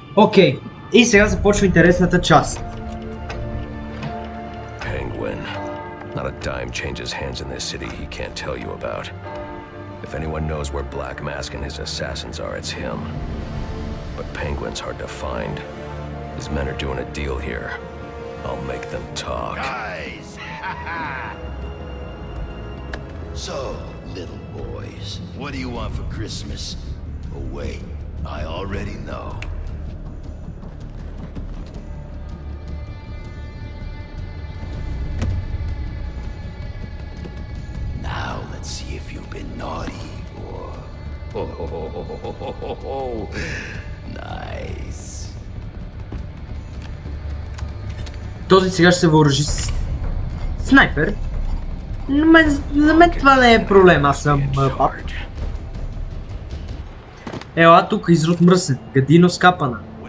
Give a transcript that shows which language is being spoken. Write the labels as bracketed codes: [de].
[bg] Окей, и сега започва интересната част. [en] Penguin. Not a dime changes hands in this city he can't tell you about. If anyone knows where Black Mask and his assassins are, it's him. But Penguin's hard to find. His men are doing a deal here. I'll make them talk. Guys! So, little boys, what do you want for Christmas? Oh wait, I already know. Now let's see if you've been naughty or... nice. [bg] Този сега ще се въоръжи с... снайпер. Но за мен това не е проблем, аз съм пап. Ела, тук изрод мръсен, гадино скапана.